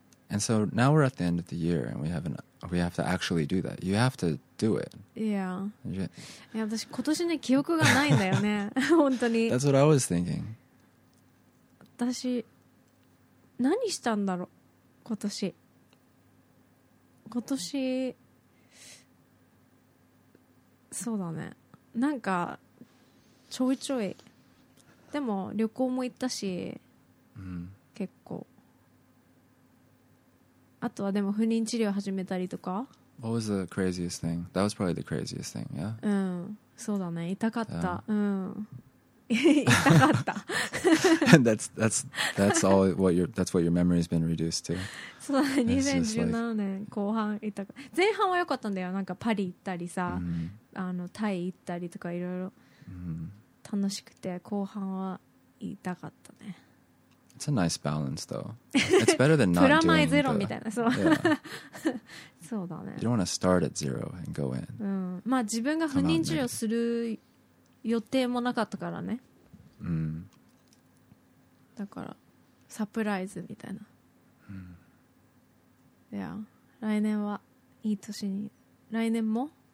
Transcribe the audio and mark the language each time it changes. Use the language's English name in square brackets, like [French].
[English] And so now we're at the end of the year and we have to actually do that. You have to do it. Yeah. [Japanese] 私今年ね記憶がないんだよね。本当に。 [English] That's what I was thinking. [Japanese] 私何したんだろう今年。今年そうだねなんかちょいちょいでも旅行も行ったし、結構あとはでも不妊治療始めたりとか [English] What was the craziest thing? That was probably the craziest thing, yeah? [Japanese] そうだね痛かった、痛かった [English] that's what your memory has been reduced to. [Japanese] そうだね。2017年後半行った。前半は良かったんだよ。なんかパリ行ったりさ、タイ行ったりとかいろいろ楽しくて、後半は痛かったね。 [English] It's a nice balance, though. It's better than not doing [Japanese] it. プラマイゼロみたいな。そう。そうだね。 [English] You don't want to start at zero and go in. [Japanese] まあ自分が不妊治療する予定もなかったからね。だからサプライズみたいな。いや来年はいい年に来年も。